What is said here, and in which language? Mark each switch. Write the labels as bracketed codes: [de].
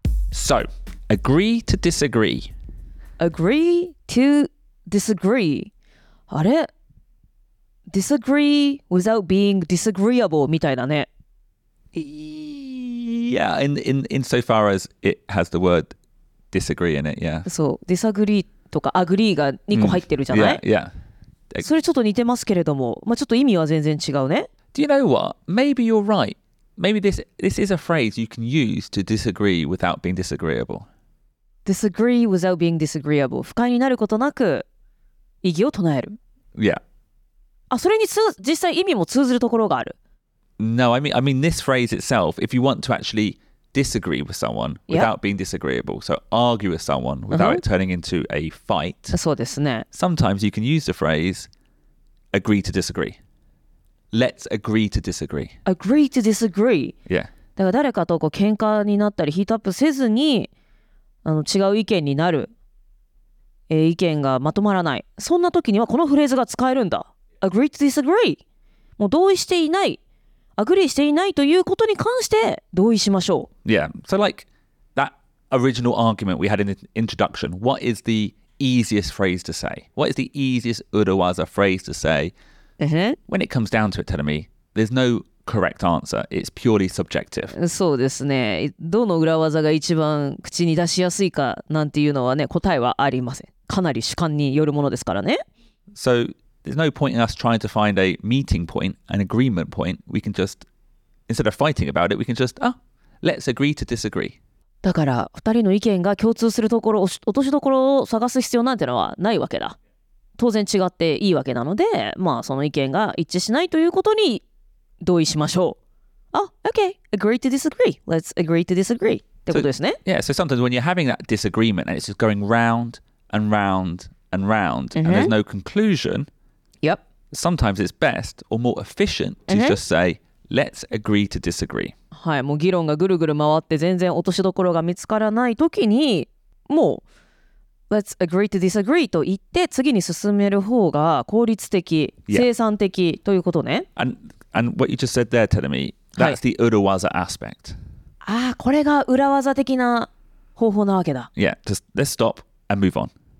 [en] So, agree to disagree. Agree to disagree. あれ? Disagree without being disagreeable [ja] みたいだね。 [en] Yeah, in so far as it has the word disagree in it, yeah. [ja] そう、disagree とか agree が2個入ってるじゃない? [en] Yeah, yeah. [ja] それちょっと似てますけれども、まあ、ちょっと意味は全然違うね。 [en] Do you know what? Maybe you're right. Maybe this is a phrase you can use to disagree without being disagreeable. Disagree without being disagreeable. [ja] 不快になることなく異議を唱える。 [en] Yeah. [ja] あ、それに実際意味も通ずるところがある。 [en] No, I mean this phrase itself, if you want to actually disagree with someone without being disagreeable, so argue with someone without it turning into a fight. [ja] そうですね。 [en] Sometimes you can use the phrase agree to disagree. Let's agree to disagree. Agree to disagree. Yeah. [ja] だから誰かとこう喧嘩になったりヒートアップせずにあの違う意見になる、意見がまとまらない。そんな時にはこのフレーズが使えるんだ。 [en] Agree to disagree. [ja] もう同意していない。 Agree していないということに関して同意しましょう。 [en] Yeah. So like that original argument we had in the introduction, what is the easiest phrase to say? What is the easiest Urawaza phrase to say? When it comes down to it, Terumi, there's no correct answer. It's purely subjective. [ja] そうですね。どの裏技が一番口に出しやすいかなんていうのはね、答えはありません。かなり主観によるものですからね。 [en] So there's no point in us trying to find a meeting point, an agreement point. We can just, instead of fighting about it, we can just, let's agree to disagree. [ja] だから二人の意見が共通するところ、落としどころを探す必要なんてのはないわけだ。当然違っていいわけなので、まあその意見が一致しないということに同意しましょう。 [en] あ、okay, agree to disagree. Let's agree to disagree. [ja] ってことですね。 [en] So, yeah, so sometimes when you're having that disagreement and it's just going round and round and round and there's no conclusion, yep. Sometimes it's best or more efficient to just say, let's agree to disagree. [ja] はい、もう議論がぐるぐる回って全然落としどころが見つからないときに、もう [en] Let's agree to disagree [ja] と言って次に進める方が効率的、生産的ということね。 [en] And what you just said there, Terumi, that's the Urawaza aspect. [ja] ああ、これが裏技的な方法なわけだ。 [en] Yeah, just let's stop and move on.